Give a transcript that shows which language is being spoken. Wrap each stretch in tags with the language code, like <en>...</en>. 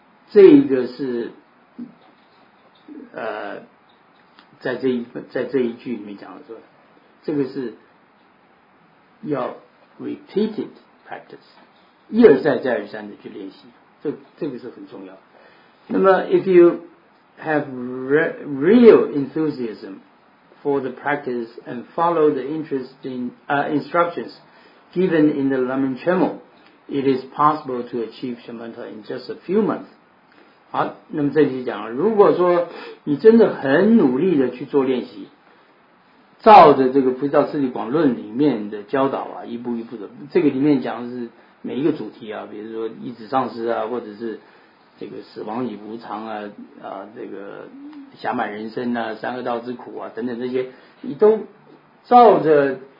<zh>这个是在这一句里面讲的说，这个是要</zh> <en>repeated practice，</en> <zh>一而再再而三的去练习，这个是很重要。那么</zh> <en>if you have real enthusiasm for the practice and follow the interesting instructions given in the Lamin Chemo, it is possible to achieve shamatha in just a few months。</en> <zh>好，那么这就讲了，如果说你真的很努力的去做练习，照着这个菩提道次第广论里面的教导啊，一步一步的，这个里面讲的是每一个主题啊，比如说意指上师啊，或者是这个死亡与无常啊这个侠满人生啊，三恶道之苦啊等等，这些你都照着</zh>